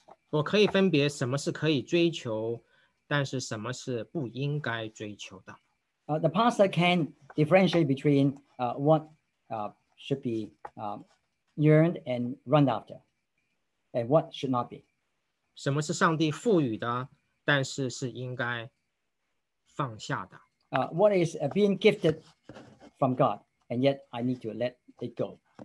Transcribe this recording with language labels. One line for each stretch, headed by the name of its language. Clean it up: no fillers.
Chinese: 我可以分别什么是可以追求, 但是什么是不应该追求的。
English: The pastor can differentiate between what should be yearned and run after, and what should not be.
Chinese: 什么是上帝赋予的, 但是是应该放下的。
English: What is being gifted from God, and yet I need to let it go.